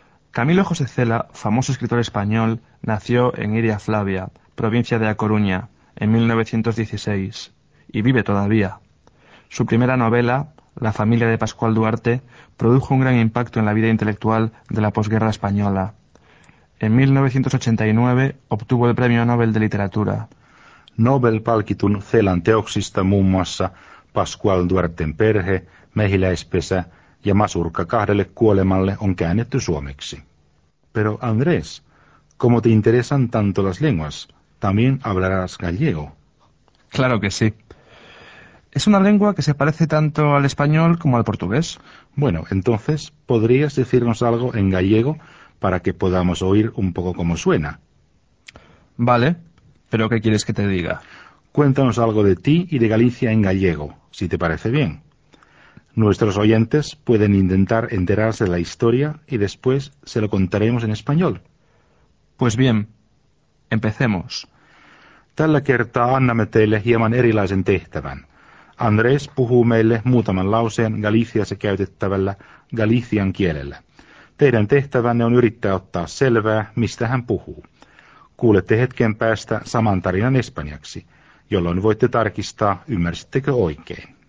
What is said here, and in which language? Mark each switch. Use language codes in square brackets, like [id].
[es] Camilo José Cela, famoso escritor español, nació en Iria Flavia, provincia de A Coruña, en 1916, y vive todavía. Su primera novela, La familia de Pascual Duarte, produjo un gran impacto en la vida intelectual de la posguerra española. En 1989 obtuvo el Premio Nobel de Literatura. [fi] Nobel palkitun Celan teoksista muun muassa Pascual Duarten perhe, mehiläispesä ja masurka kahdelle kuolemalle on käännetty suomeksi. [es] Pero Andrés, ¿cómo te interesan tanto las lenguas? ¿También hablarás gallego? Claro que sí. Es una lengua que se parece tanto al español como al portugués. Bueno, entonces, ¿podrías decirnos algo en gallego para que podamos oír un poco cómo suena? Vale, pero ¿qué quieres que te diga? Cuéntanos algo de ti y de Galicia en gallego, si te parece bien. Nuestros oyentes pueden intentar enterarse de la historia y después se lo contaremos en español. Pues bien, empecemos. [fi] Tällä kertaa annamme teille hieman erilaisen tehtävän. Andrés puhuu meille muutaman lauseen Galiciassa käytettävällä Galician kielellä. Teidän tehtävänne on yrittää ottaa selvää, mistä hän puhuu. Kuulette hetken päästä saman tarinan espanjaksi, jolloin voitte tarkistaa, ymmärsittekö oikein.